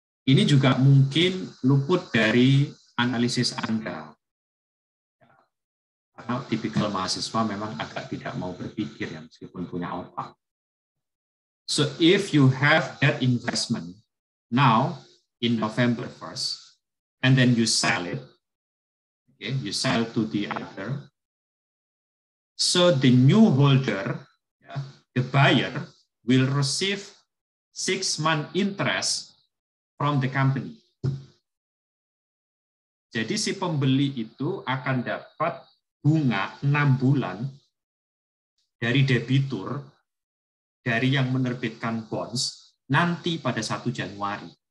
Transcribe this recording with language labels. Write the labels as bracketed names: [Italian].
[Indonesian] Ini juga mungkin luput dari analisis Anda. Karena typical mahasiswa memang agak tidak mau berpikir ya, meskipun punya otak. [English] So if you have debt investment now in November 1st, and then you sell it, okay, you sell to the other. So the new holder, yeah, the buyer, will receive 6 months interest from the company. [Indonesian] Jadi si pembeli itu akan dapat bunga 6 bulan dari debitur, dari yang menerbitkan bonds, nanti pada 1 Januari.